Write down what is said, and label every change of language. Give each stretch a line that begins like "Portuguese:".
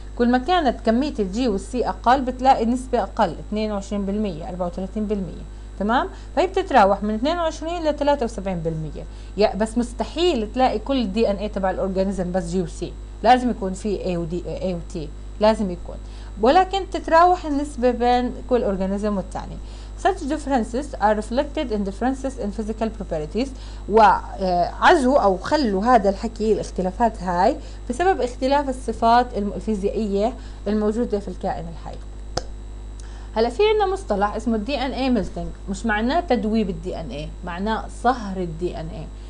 Arabic: كل ما كانت كمية الجي والسي اقل بتلاقي نسبة اقل، 22% 34%، تمام؟ فهي بتتراوح من 22 إلى 73%. بس مستحيل تلاقي كل الدي ان اي تبع الاورجانيزم بس جي وسي، لازم يكون في اي ودي اي وتي، لازم يكون، ولكن تتراوح النسبة بين كل اورجانيزم والتاني.
English: Such differences are reflected in differences in physical properties.
Arabic: وعزوا أو خلوا هذا الحكي، الاختلافات هاي بسبب اختلاف الصفات الفيزيائية الموجودة في الكائن الحي. هلا في عندنا مصطلح اسمه DNA melting، مش معناه تدويب DNA، معناه صهر DNA.